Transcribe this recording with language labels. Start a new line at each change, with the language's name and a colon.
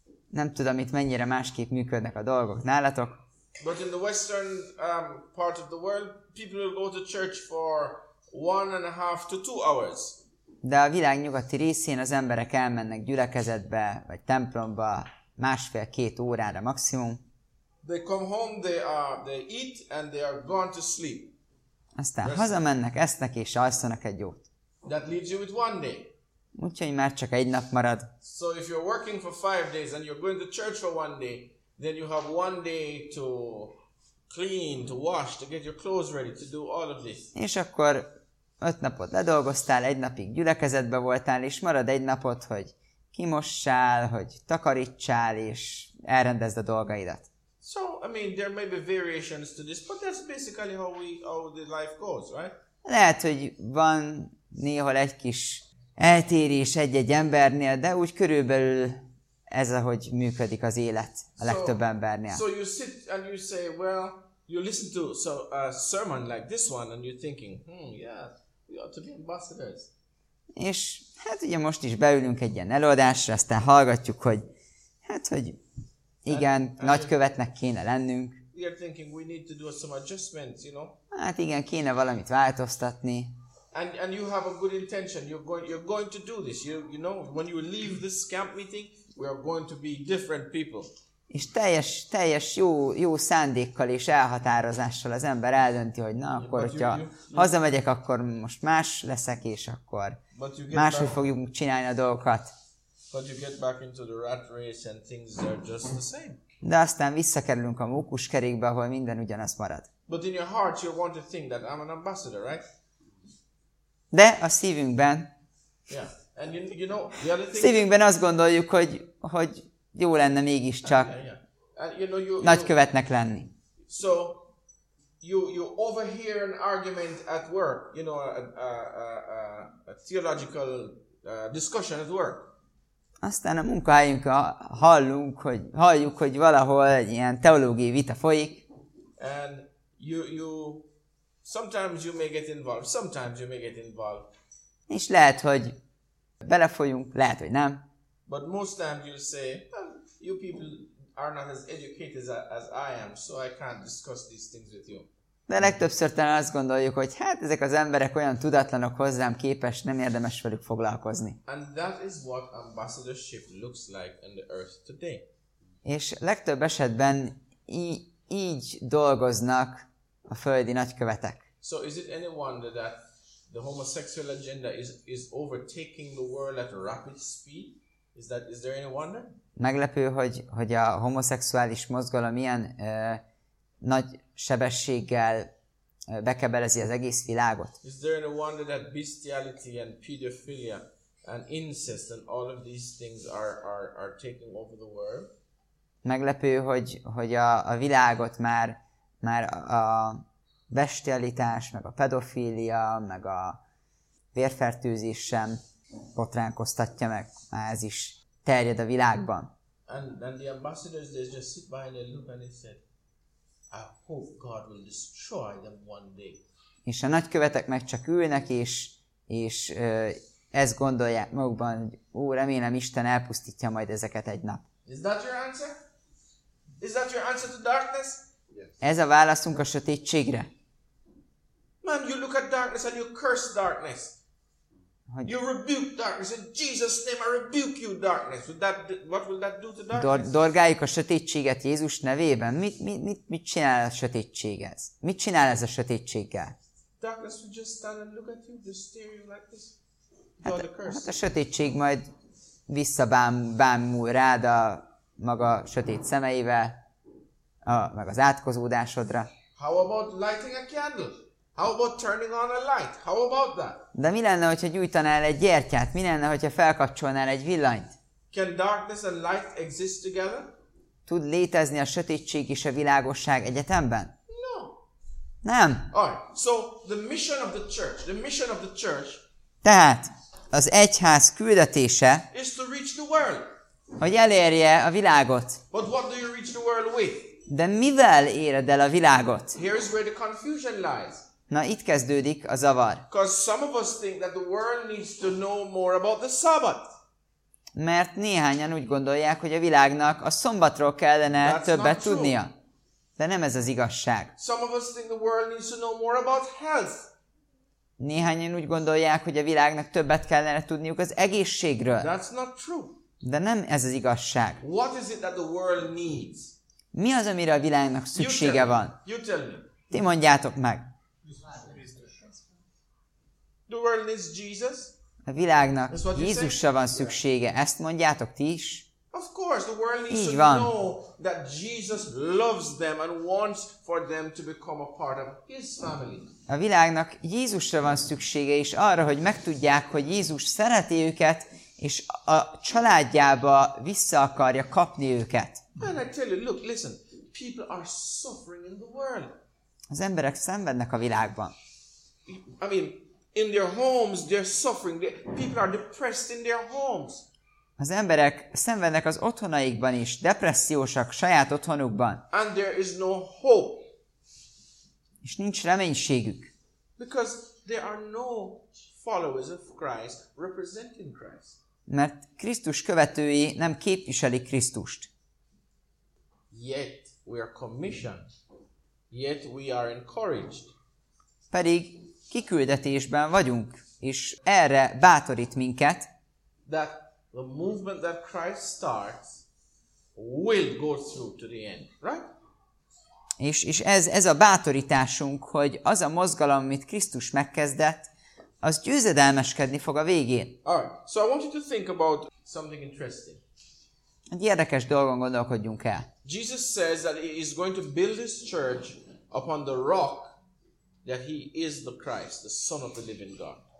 Hungarian: Nem tudom, itt mennyire másképp működnek a dolgok nálatok.
English: But in the western part of the world, people will go to church for 1.5 to 2 hours.
Hungarian: De a világ nyugati részén az emberek elmennek gyülekezetbe, vagy templomba, másfél-két órára maximum.
English: They come home, they eat and they are gone to sleep.
Hungarian: Aztán hazamennek, esznek és alszanak egy jót.
English: That leaves you with one day.
Hungarian: Úgyhogy már csak egy nap marad.
English: So if you're working for 5 days and you're going to church for 1 day, then you have 1 day to clean, to wash, to get your clothes ready, to do all of this.
Hungarian: És akkor 5 napot ledolgoztál, 1 napig gyülekezetben voltál, és marad 1 napot, hogy kimossál, hogy takarítsál, és elrendezd a dolgaidat.
English: So, I mean, there may be variations to this, but that's basically how we how the life goes, right?
Hungarian: Lehet, hogy van néhol egy kis eltérés egy-egy embernél, de úgy körülbelül ez, ahogy működik az élet a legtöbb embernél.
English: So you sit and you say, well, you listen to so a sermon like this one, and you're thinking, yeah, we ought to be ambassadors.
Hungarian: És hát ugye most is beülünk egy ilyen előadásra, aztán hallgatjuk, hogy hát, hogy igen, nagykövetnek kéne lennünk.
English: You're thinking we need to do some adjustments, you know?
Hungarian: Hát igen, kéne valamit változtatni.
English: And you have a good intention. You're going to do this. You know, when you leave this camp meeting, we are going to be different people.
Hungarian: És teljes jó szándékkal és elhatározással az ember eldönti, hogy na, akkor hogyha hazamegyek, akkor most más leszek, és akkor máshogy fogjuk csinálni a dolgokat.
English: But you get back into the rat race and things are just the same.
Hungarian: De aztán visszakerülünk a mókuskerékbe, ahol minden ugyanaz marad.
English: But in your heart you want to think that I'm an ambassador, right?
Hungarian: De a szívünkben.
English: Yeah. And you know, the other thing.
Hungarian: Szívünkben azt gondoljuk, hogy jó lenne mégis csak.
English: And you know,
Hungarian: nagykövetnek lenni.
English: So you overhear an argument at work, you know, a theological discussion at work.
Hungarian: Aztán a munkahelyünkön halljuk, hogy valahol egy ilyen teológiai vita folyik.
English: And you sometimes you may get involved, sometimes you may get involved.
Hungarian: És lehet, hogy belefolyunk, lehet, hogy nem.
English: But most times you say, you people are not as educated as I am, so I can't discuss these things with you.
Hungarian: De legtöbbször talán azt gondoljuk, hogy hát ezek az emberek olyan tudatlanok hozzám képes, nem érdemes velük foglalkozni.
English: And that is what ambassadorship looks like in the earth today.
Hungarian: És legtöbb esetben így dolgoznak a földi nagykövetek.
English: So is it any wonder that the homosexual agenda is overtaking the world at a rapid speed? Is there any wonder?
Hungarian: Meglepő, hogy a homoszexuális mozgalom ilyen nagy sebességgel bekebelezi az egész világot.
English: Is there any wonder that bestiality and pedophilia and incest and all of these things are taking over the world?
Hungarian: Meglepő, hogy a világot már a bestialitás, meg a pedofília, meg a vérfertőzés sem botránkoztatja meg, már ez is terjed a világban.
English: And the ambassadors, they just sit by and they look and they said, I hope God will destroy them one day.
Hungarian: És a nagykövetek meg csak ülnek, és ezt gondolják magukban, hogy ó, remélem Isten elpusztítja majd ezeket egy nap.
English: Is that your answer? Is that your answer to darkness? Yes.
Hungarian: Ez a válaszunk a sötétségre.
English: Man, you look at darkness and you curse darkness. Hogy you rebuke darkness in Jesus' name. I rebuke you, darkness. What will that do to darkness?
Hungarian: Dorgáljuk a sötétséget Jézus nevében. Mit csinál a sötétség ez? Mit csinál ez a sötétséggel?
English: Darkness will just stand and look at you, just stare you like this. You're the curse.
Hungarian: Hát a sötétség majd visszabámul rád a maga sötét szemeivel, meg az átkozódásodra.
English: How about lighting a candle? How about turning on a light? How about that?
Hungarian: De mi lenne, hogyha gyújtanál egy gyertyát? Mi lenne, hogyha felkapcsolnál egy villanyt?
English: Can darkness and light exist together?
Hungarian: Tud létezni a sötétség és a világosság egyetemben?
English: No.
Hungarian: Nem.
English: All right. So the mission of the church,
Hungarian: Tehát az egyház küldetése
English: is to reach the world.
Hungarian: Hogy elérje a világot.
English: But what do you reach the world with?
Hungarian: De mivel éred el a világot?
English: Here is where the confusion lies.
Hungarian: Na, itt kezdődik a zavar.
English: Because some of us think that the world needs to know more about the Sabbath.
Hungarian: Mert néhányan úgy gondolják, hogy a világnak a szombatról kellene
English: That's
Hungarian: többet tudnia. De nem ez az igazság.
English: Some of us think the world needs to know more about health.
Hungarian: Néhányan úgy gondolják, hogy a világnak többet kellene tudniuk az egészségről.
English: That's not true.
Hungarian: De nem ez az igazság.
English: What is it that the world needs?
Hungarian: Mi az, amire a világnak szüksége van?
English: You tell me.
Hungarian: Ti mondjátok meg.
English: The world needs Jesus.
Hungarian: A világnak Jézusra van szüksége. Ezt mondjátok ti is?
English: Of course, the world needs
Hungarian: Így to van.
English: Know that Jesus loves them and wants for them to become a part of his family.
Hungarian: A világnak Jézusra van szüksége, és arra, hogy megtudják, hogy Jézus szereti őket, és a családjába vissza akarja kapni őket.
English: And I tell you, look, listen. People are suffering in the world.
Hungarian: Az emberek szenvednek a világban.
English: I mean, in their homes they're suffering. People are depressed in their homes.
Hungarian: Az emberek szenvednek az otthonaikban is, depressziósak saját otthonukban.
English: And there is no hope.
Hungarian: És nincs reménységük.
English: Because there are no followers of Christ representing Christ.
Hungarian: Mert Krisztus követői nem képviselik Krisztust.
English: Yet we are commissioned. Yet we are encouraged.
Hungarian: Pedig kiküldetésben vagyunk, és erre bátorít minket.
English: That the movement that Christ starts will go through to the end, right?
Hungarian: És ez a bátorításunk, hogy az a mozgalom, amit Krisztus megkezdett, az győzedelmeskedni fog a végén.
English: Alright, so I want you to think about something interesting.
Hungarian: Egy érdekes dolgon gondolkodjunk el.
English: Jesus says that he is going to build his church upon the rock that he is the Christ, the Son of the living God.